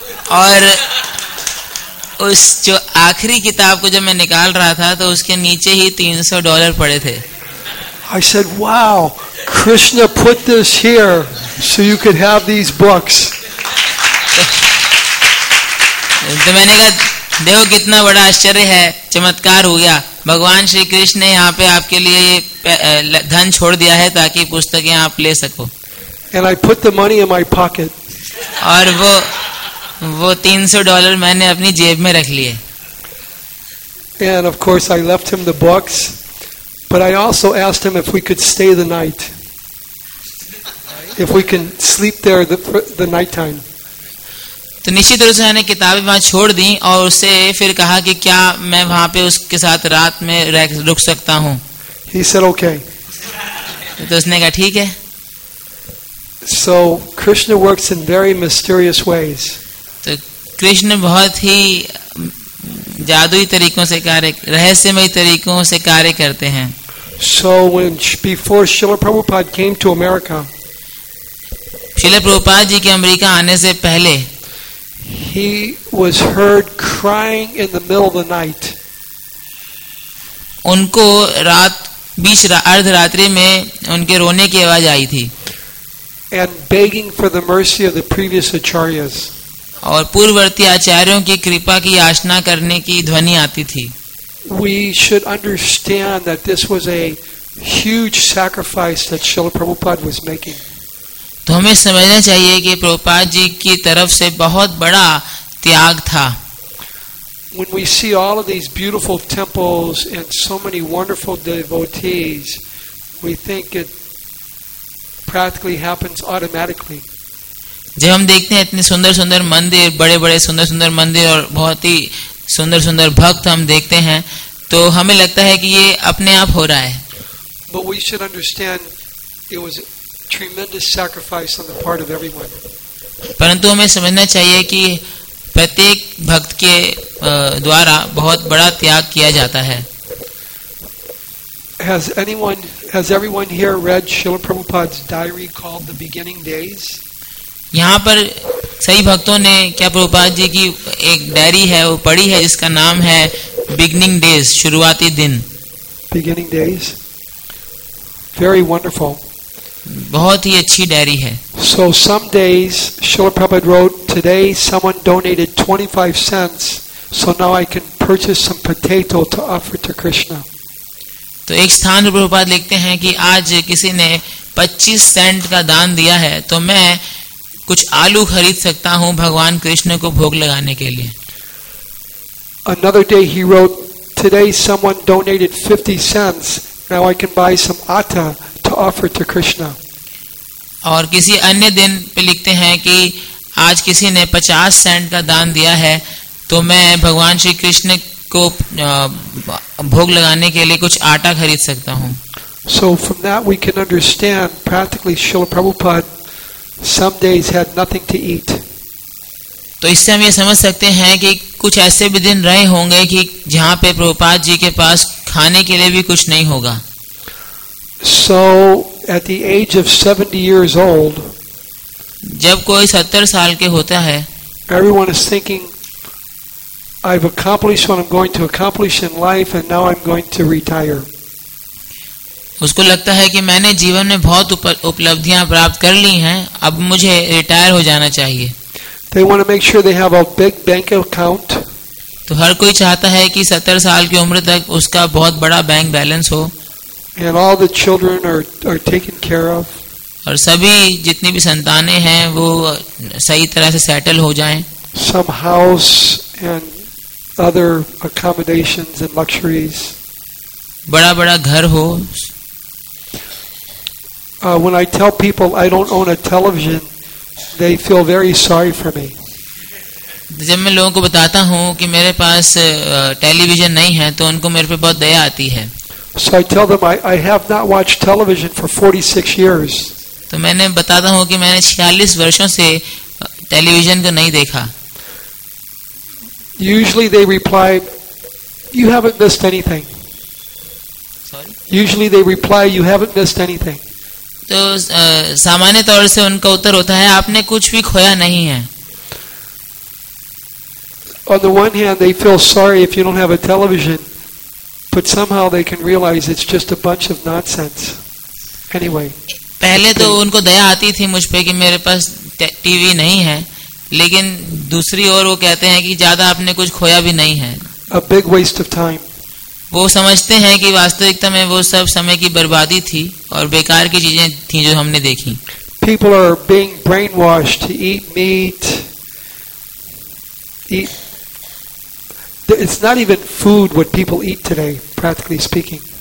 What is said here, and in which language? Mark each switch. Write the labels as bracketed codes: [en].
[hi] और उस जो आखिरी किताब को जब मैं निकाल रहा था तो उसके नीचे ही $300 पड़े थे. [en] I said, "Wow, Krishna put this here so you could have these books." [hi] तो मैंने कहा देखो कितना बड़ा आश्चर्य है, चमत्कार हो गया, भगवान श्री कृष्ण ने यहाँ पे आपके लिए धन छोड़ दिया है ताकि पुस्तकें आप ले सको. [en] And I put the money in my pocket. [hi] और वो $300 मैंने अपनी जेब में रख लिए. [en] And of course I left him the books, but I also asked him if we could stay the night, if we can sleep there the night time. [hi] तो निश्चित रूप से मैंने किताबें वहां छोड़ दी और उसे फिर कहा कि क्या मैं वहां पे उसके साथ रात में रुक सकता हूँ. [en] He said okay. [hi] तो उसने कहा ठीक है. [en] So Krishna works in very mysterious ways. [hi] तो कृष्ण बहुत ही जादुई तरीकों से कार्य, रहस्यमय तरीकों से कार्य करते हैं. [en] So when before Srila Prabhupada came to America, [hi] Srila Prabhupada जी के अमेरिका आने से पहले, [en] he was heard crying in the middle of the night. [hi] उनको रात बीच अर्धरात्रि में उनके रोने की आवाज आई थी. [en] And begging for the mercy of the previous acharyas. [hi] और पूर्ववर्ती आचार्यों की कृपा की याचना करने की ध्वनि आती थी. [en] We should understand that this was a huge sacrifice that Srila Prabhupada was making. [hi] तो हमें समझना चाहिए कि प्रभुपाद जी की तरफ से बहुत बड़ा त्याग था. [en] When we see all of these beautiful temples and so many wonderful devotees, we think it practically happens automatically. [hi] जब हम देखते हैं इतने सुंदर सुंदर मंदिर, बड़े बड़े सुंदर सुंदर मंदिर और बहुत ही सुंदर सुंदर भक्त हम देखते हैं तो हमें लगता है कि ये अपने आप हो रहा है. [en] But we should understand it was tremendous sacrifice on the part of everyone. [hi] परंतु हमें समझना चाहिए कि प्रत्येक भक्त के द्वारा बहुत बड़ा त्याग किया जाता है. [en] Has everyone here read Srila Prabhupada's diary called The Beginning Days? [hi] यहाँ पर सही भक्तों ने क्या प्रभुपाद जी की एक डायरी है वो पढ़ी है जिसका नाम है Beginning Days, शुरुआती दिन. [en] Beginning Days. Very wonderful. [hi] बहुत ही अच्छी डायरी है. [en] So some days Srila Prabhupada wrote, "Today someone donated 25 cents, so now I can purchase some potato to offer to Krishna." [hi] तो एक स्थान प्रभुपाद लिखते हैं कि आज किसी ने 25 सेंट का दान दिया है तो मैं कुछ आलू खरीद सकता हूँ भगवान कृष्ण को भोग लगाने के लिए. [en] Another day he wrote, "Today someone donated 50 cents, now I can buy some atta." [hi] और किसी अन्य दिन पे लिखते हैं कि आज किसी ने 50 सेंट का दान दिया है तो मैं भगवान श्री कृष्ण को भोग लगाने के लिए कुछ आटा खरीद सकता हूँ. [en] So from that we can understand practically Srila Prabhupada some days had nothing to eat. [hi] तो इससे हम ये समझ सकते हैं कि कुछ ऐसे भी दिन रहे होंगे कि जहाँ पे प्रभुपाद जी के पास खाने के लिए भी कुछ नहीं होगा. [en] So at the age of 70 years old, [hi] जब कोई 70 साल के होता है, [en] everyone is thinking, "I've accomplished what I'm going to accomplish in life, and now I'm going to retire." [hi] उसको लगता है कि मैंने जीवन में बहुत उपलब्धियां प्राप्त कर ली हैं, अब मुझे रिटायर हो जाना चाहिए। [en] They want to make sure they have a big bank account. [hi] तो हर कोई चाहता है कि 70 साल की उम्र तक उसका बहुत बड़ा बैंक बैलेंस हो। [en] And all the children are taken care of. [hi] और सभी जितनी भी संतानें हैं वो सही तरह से सेटल हो जाएं। [en] Some house and other accommodations and luxuries. [hi] बड़ा बड़ा घर हो। [en] When I tell people I don't own a television, they feel very sorry for me. [hi] जब मैं लोगों को बताता हूँ कि मेरे पास टेलीविजन नहीं है, तो उनको मेरे पे बहुत दया आती है। [en] So I tell them I have not watched television for 46 years. [hi] तो मैंने बताता हूँ कि मैंने 46 वर्षों से टेलीविजन को नहीं देखा। [en] Usually they reply, you haven't missed anything. Sorry. Usually they reply, you haven't missed anything. [hi] तो सामान्य तौर से उनका उत्तर होता है, आपने कुछ भी खोया नहीं है। [en] On the one hand, they feel sorry if you don't have a television, but somehow they can realize it's just a bunch of nonsense. Anyway. [hi] पहले तो उनको दया आती थी मुझ पे कि मेरे पास टीवी नहीं है, लेकिन दूसरी ओर वो कहते हैं कि ज्यादा आपने कुछ खोया भी नहीं है। [en] A big waste of time. [hi] वो समझते हैं कि वास्तविकता में वो सब समय की बर्बादी थी और बेकार की चीजें थी जो हमने देखी। [en] People are being brainwashed to eat meat. It's not even food what people eat today, practically speaking.